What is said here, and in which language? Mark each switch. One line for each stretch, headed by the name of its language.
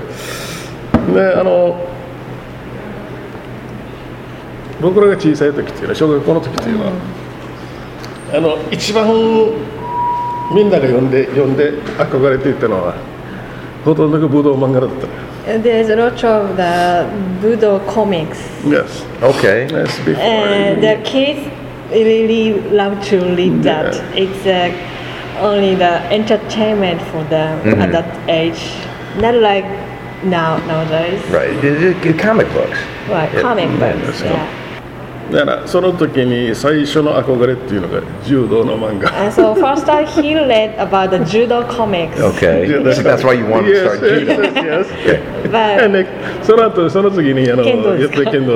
Japanese: で、あの、僕らが小さい時っていうのは、小学校の時っていうのは、あの、一番みんなが呼んで憧れていたのは、ほとんどが武道漫画だった。
English: There's a lot of the Budo comics. Yes. Okay. Yes, and the kids really love to read that.、 Yeah. It's、only the entertainment for them、mm-hmm. at that age. Not like nowadays. Right. The comic books. Right. Comic books. Yeah. Yeah.
Japanese: その時に最初の憧れっていうのが柔道の漫画。
English: So first time he read about the judo comics. Okay. Yeah, that's why you wanted yes, to start judo. Yes. Okay. But and
Japanese: その後その次にあのやっぱり剣道